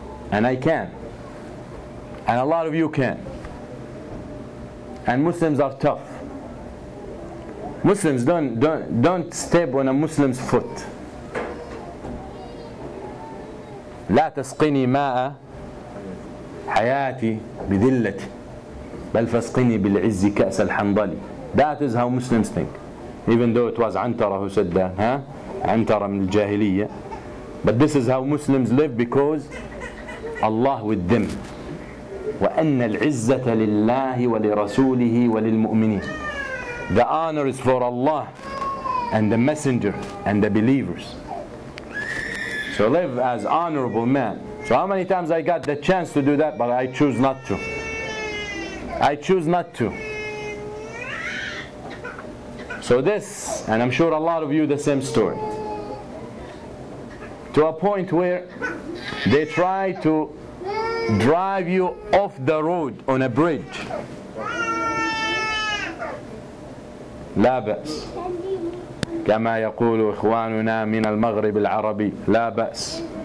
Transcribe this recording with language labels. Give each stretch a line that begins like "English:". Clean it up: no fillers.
English: And I can. And a lot of you can. And Muslims are tough. Muslims don't step on a Muslim's foot.
Arabic: لا تسقني ماء حياتي بذلتي بل فاسقني بالعز كأس الحنظلي.
English: That is how Muslims think. Even though it was Antara who said that. Antara from the Jahiliyyah. But this is how Muslims live, because Allah with them.
Arabic: وَأَنَّ الْعِزَّةَ لِلَّهِ وَلِرَسُولِهِ وَلِلْمُؤْمِنِينَ.
English: The honor is for Allah and the Messenger and the believers. So live as honorable men. So how many times I got the chance to do that, but I choose not to. I choose not to. So this, and I'm sure a lot of you the same story. To a point where they try to drive you off the road on a bridge.
Arabic: لا بأس. كما يقول إخواننا من المغرب العربي لا بأس.